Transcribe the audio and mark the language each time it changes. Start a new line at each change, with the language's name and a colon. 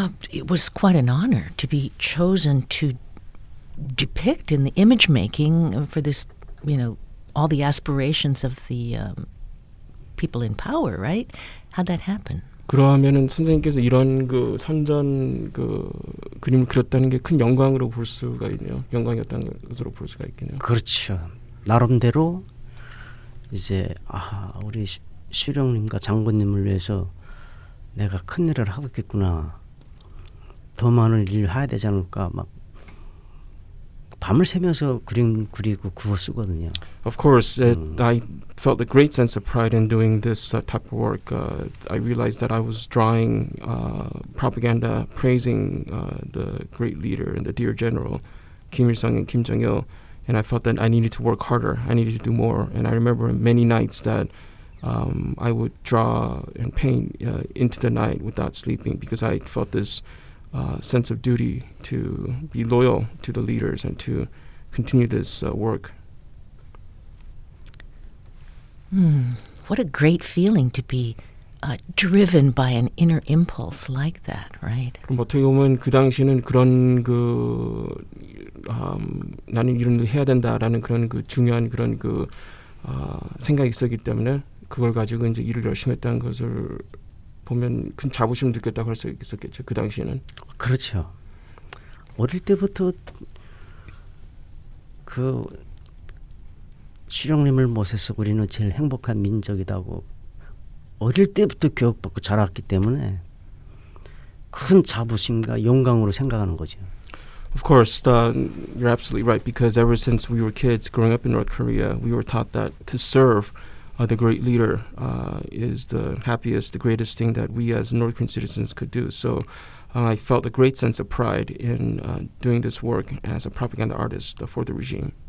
English: It was quite an honor to be chosen to depict in the image making for this, you know, all the aspirations of the people in power, right? How'd that happen?
Korean: 그러면은 선생님께서 이런 그 선전 그 그림을 그렸다는 게 큰 영광으로 볼 수가 있네요. 영광이었다는 것으로 볼 수가 있겠네요. 그렇죠. 나름대로 이제 아 우리 수령님과 장군님을 위해서 내가 큰 일을 하고 있겠구나. 더 많은 일을 해야 되지 않을까. 막 밤을 새면서 그림 그리고 그거 쓰거든요.
English: Of course, I felt a great sense of pride in doing this type of work. I realized that I was drawing propaganda praising the great leader and the dear general Kim Il-sung and Kim Jong-il, and I felt that I needed to work harder. I needed to do more. And I remember many nights that I would draw and paint into the night without sleeping because I felt this sense of duty to be loyal to the leaders and to continue this work. What a great feeling to be driven by an inner impulse like that, right?
Korean: 그럼 어떻게 보면 그 당시에는 그런 그 나는 이런 일을 해야 된다라는 그런 그 중요한 그런 그 생각이 있었기 때문에 그걸 가지고 이제 일을 열심히 했다는 것을 보면 큰 자부심을 느꼈다고 할 수 있었겠죠. 그 당시에는. 그렇죠. 어릴 때부터 그 수령님을 모셔서 우리는 제일 행복한 민족이라고 어릴 때부터 교육받고 자랐기 때문에 큰 자부심과 영광으로 생각하는 거죠.
English: Of course, you're absolutely right because ever since we were kids growing up in North Korea, we were taught that to serve the great leader is the happiest, the greatest thing that we as North Korean citizens could do. So I felt a great sense of pride in doing this work as a propaganda artist for the regime.